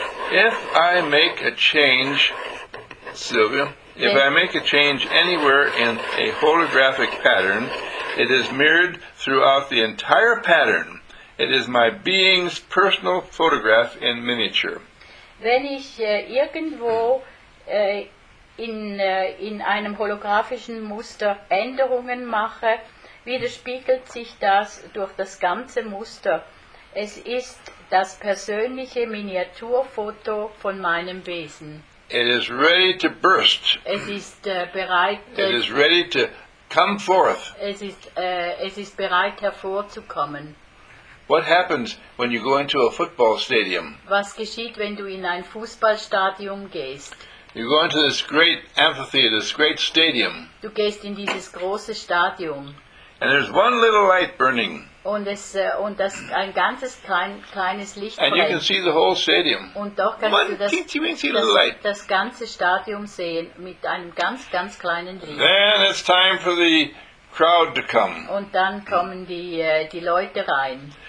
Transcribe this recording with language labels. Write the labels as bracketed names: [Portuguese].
[English] If I make a change, Sylvia, if I make a change anywhere in a holographic pattern, it is mirrored throughout the entire pattern. It is my being's personal photograph in miniature. [German] Wenn ich irgendwo in einem holographischen Muster Änderungen mache, widerspiegelt sich das durch das ganze Muster. Es ist das persönliche Miniaturfoto von meinem Wesen. [English] It is ready to burst. [German] Es ist bereit. [English] It is ready to come forth. [German] Es ist bereit hervorzukommen. [English] What happens when you go into a football stadium? [German] Was geschieht, wenn du in ein Fußballstadion gehst? [English] You go into this great amphitheater, this great stadium. [German] Du gehst in dieses große Stadion. [English] And there's one little light burning. [German] Und ein ganzes kleines Licht brennt. [English] And you can see the whole stadium. [German] Und doch kannst du das ganze Stadion sehen mit einem ganz, ganz kleinen Licht. [English] Then it's time for the crowd to come. [German] Und dann kommen die Leute rein.